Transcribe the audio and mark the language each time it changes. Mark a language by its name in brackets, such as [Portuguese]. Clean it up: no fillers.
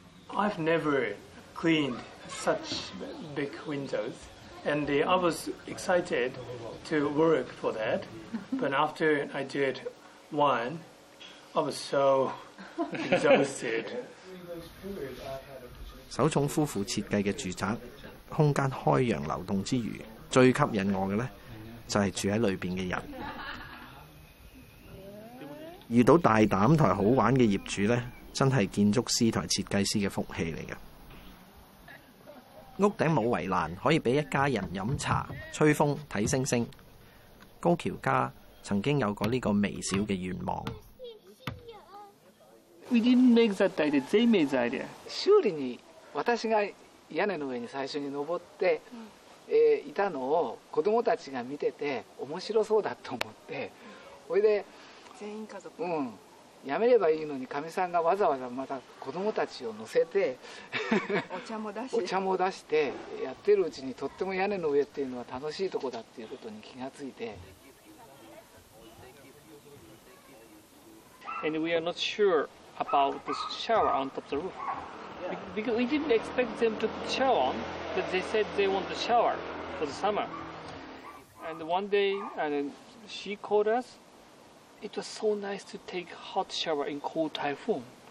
[English] I've never cleaned such big windows. And I was excited to work for that, but after I did one, I was so exhausted. [Cantonese] 首重夫妇设计嘅住宅，空间开扬流动之余，最吸引我嘅咧就系住喺里边嘅人。遇到大胆同好玩嘅业主咧，真系建筑师同设计师嘅福气嚟嘅。屋顶冇围栏，可以俾一家人饮茶、吹风、睇星星。高桥家曾经有过呢个微小嘅愿望。 [English] We didn't make that idea. [Cantonese] 最美嘅 [English] idea。 [Japanese] 修理に私が屋根の上に最初に登って、いたのを子供たちが見てて面白そうだと思って、それで全員家族。うん。やめればいいのに、かみさんがわざわざまた子供たちを乗せてお茶も出してやってるうちに、とっても屋根の上っていうのは楽しいとこだっていうことに気がついて。 [English] And we are not sure about this shower on top of the roof. Because we didn't expect them to shower on, but they said they want the shower for the summer. And one day, and she called us. It was so nice to take hot shower in cold typhoon.